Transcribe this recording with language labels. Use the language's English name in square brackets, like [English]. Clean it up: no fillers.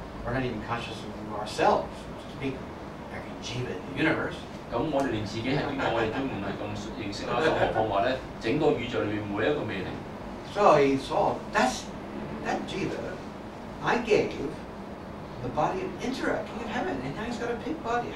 [English] We're not even conscious of ourselves, to speak like a jiva in the universe. [Cantonese] 咁我哋連自己係邊個，我哋都唔係咁認識啦。何況話咧，整個宇宙裏面每一個微靈。 [English] So he saw that jiva, I gave the body of Indra, king of heaven, and now he's got a pig body.